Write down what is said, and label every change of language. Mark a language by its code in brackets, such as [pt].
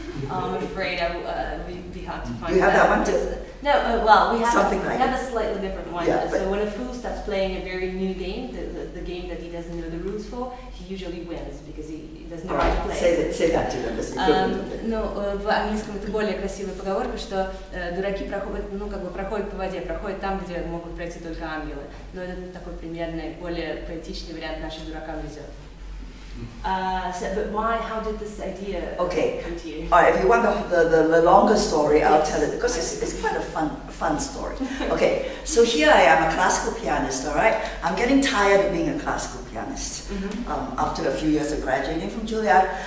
[en] I'm afraid it would be hard to find. You have that one too? No, we have a slightly different one. Yeah, so when a fool starts playing a very new game, the game that he doesn't know the rules for, he usually wins because he doesn't know how to play. Say that to them. [ru] Ну, в английском это более красивая поговорка, что дураки проходят, ну, как бы проходят по воде, проходят там, где могут пройти только ангелы. Но это такой примерный, более поэтичный вариант нашим дуракам везет. [en] How did this idea come to you? All right, if you want the longer story, I'll tell it, because it's quite a fun story. Okay, so here I am, a classical pianist, all right? I'm getting tired of being a classical pianist after a few years of graduating from Juilliard.